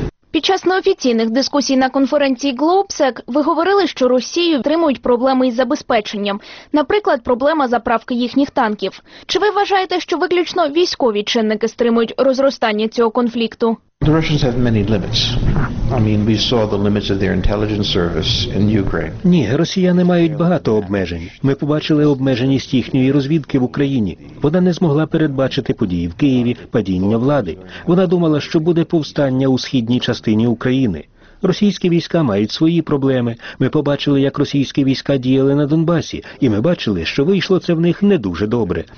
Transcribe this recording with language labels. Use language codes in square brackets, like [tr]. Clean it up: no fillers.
[uk] Під час неофіційних дискусій на конференції Globsec ви говорили, що Росію тримують проблеми із забезпеченням. Наприклад, проблема заправки їхніх танків. Чи ви вважаєте, що виключно військові чинники стримують розростання цього конфлікту? [en] The Russians have many limits. I mean, we saw the limits of their intelligence service in Ukraine. [uk] Ні, росіяни мають багато обмежень. Ми побачили обмеженість їхньої розвідки в Україні. Вона не змогла передбачити події в Києві, падіння влади. Вона думала, що буде повстання у східній частині України. Російські війська мають свої проблеми. Ми побачили, як російські війська діяли на Донбасі, і ми бачили, що вийшло це в них не дуже добре.